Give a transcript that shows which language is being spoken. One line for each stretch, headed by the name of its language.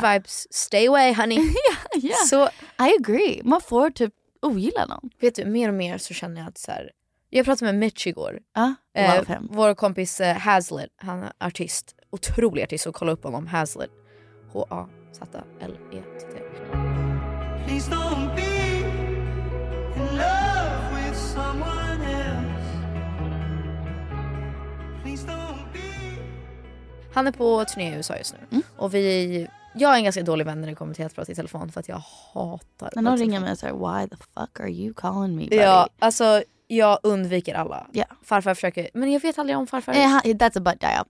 English: Bad vibes, stay away honey. Yeah.
Swedish: Så,
English: I agree.
Swedish: Man får typ ogilla någon. Vet du, mer och mer så känner jag att så här, jag pratade med Mitch igår.
English: Love him.
Swedish: Vår kompis Hazlitt, han är artist. Otrolig artist, och kolla upp honom. Hazlitt. H-A-Z-L-E-T-T.
English: Please don't be in love with someone else. Please don't be.
Swedish: Han är på turné i USA just nu. Mm. Och vi... Jag är en ganska dålig vän när det kommer till att prata i telefon. För att jag hatar... Men de ringer mig och säger,
English: why the fuck are you calling me, buddy?
Swedish: Ja, alltså... Jag undviker alla.
English: Yeah.
Swedish: Farfar försöker... Men jag vet aldrig om farfar...
English: That's a butt dial.